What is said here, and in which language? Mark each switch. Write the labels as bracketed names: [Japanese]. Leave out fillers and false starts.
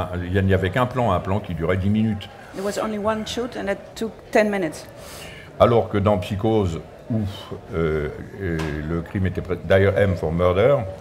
[French] Il n'y avait qu'un plan, un plan qui durait 10 minutes. [English] There was only one shoot and it took 10 minutes. [French] Alors que dans Psychose, où le crime était d'ailleurs M for murder.